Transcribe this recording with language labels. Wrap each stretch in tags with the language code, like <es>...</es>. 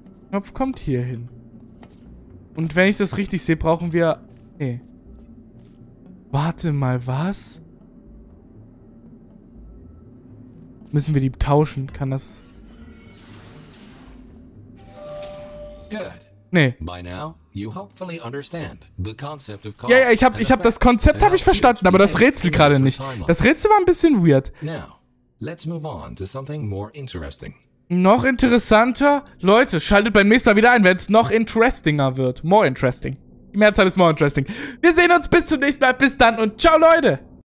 <de>Knopf kommt hier hin. Und wenn ich das richtig sehe, brauchen wir... Nee. Warte mal, was? Müssen wir die tauschen? Kann das...</de> <en>Good.</en> <de>Nee.</de> <en>By now, you hopefully understand the concept of cost.</en> <de>Ja, ich hab das Konzept habe ich verstanden, aber das Rätsel gerade nicht. Das Rätsel war ein bisschen weird.</de> <en>Now, let's move on to something more interesting.</en> <de>Noch interessanter? Leute, schaltet beim nächsten Mal wieder ein, wenn es noch interestinger wird.</de> <en>More interesting.</en> <de>Die Mehrzahl ist</de> <en>more interesting.</en> <de>Wir sehen uns bis zum nächsten Mal. Bis dann und ciao, Leute.</de>